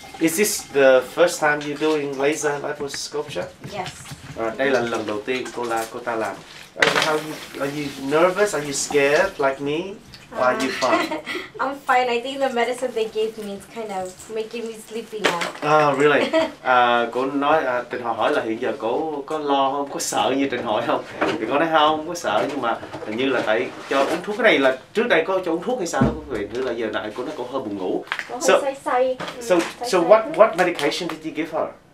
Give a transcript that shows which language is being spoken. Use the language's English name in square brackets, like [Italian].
[English] Is this the first time you're doing laser liposculpture? Yes. [Vietnamese] Đây là lần đầu tiên cô ta làm. [English] Are you nervous? Are you scared like me? Why are you fine? I'm fine. I think the medicine they gave me is kind of making me sleepy now. Oh, really? [Vietnamese] Cô nói, Trinh Hoi hỏi là hiện giờ cô có lo không? Có sợ như Trinh Hoi không? Thì cô nói không, có sợ nhưng mà hình như là tại cho uống thuốc. Cái này là trước đây có cho uống thuốc hay sao đó quý vị? Thứ là giờ này cô nói cô hơi buồn ngủ. [English] So what medication did you give her?